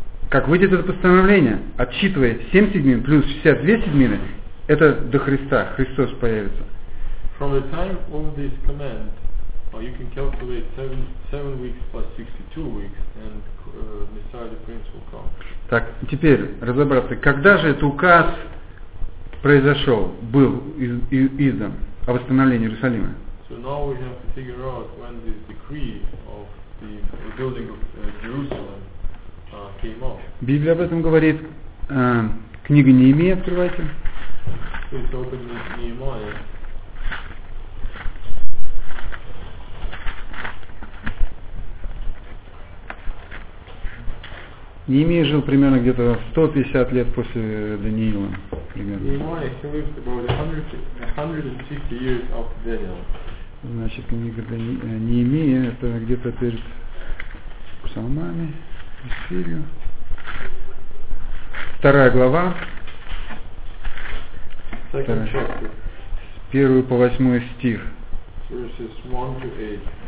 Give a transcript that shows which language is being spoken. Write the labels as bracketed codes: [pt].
[ru] Как выйдет это постановление, отсчитывая 7 седьмин плюс 62 седьмины, Это до Христа, Христос появится. [en] From the time of this command, you can calculate 7 weeks plus 62 weeks, and Messiah the Prince will come. [ru] Так, теперь разобраться, когда же этот указ произошел, был издан о восстановлении Иерусалима? [en] So now we have to figure out when this decree of the rebuilding of Jerusalem came out. [ru] Библия об этом говорит. Книга Неемия, открывайте. [en] Please open the Nehemiah. [ru] Неемия жил примерно где-то 150 лет после Даниила. [en] Неемия, he lived about 150 years after Daniel. [ru] Значит, книга Неемия, это где-то перед псалмами, Исфирию. Вторая глава. Вторая. С 1 по 8 стих. [en] Verses 1 to 8.